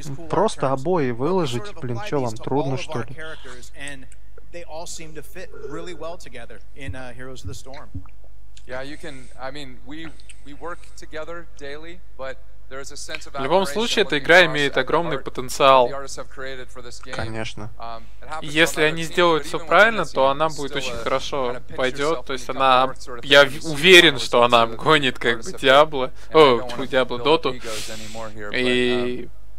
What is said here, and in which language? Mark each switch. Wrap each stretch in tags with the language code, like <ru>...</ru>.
<ru>Просто обои выложить, блин, что вам, трудно что ли?</ru> <en>They all seem to fit really well together in Heroes of the Storm. Yeah, you can. I mean, we work together daily, but there is a sense of.</en> <ru>В любом случае, эта игра имеет огромный потенциал. Конечно. Если они сделают все правильно, то она будет очень хорошо пойдет. То есть она, я уверен, что она обгонит как бы Diablo. О, Diablo, Dota. И</ru>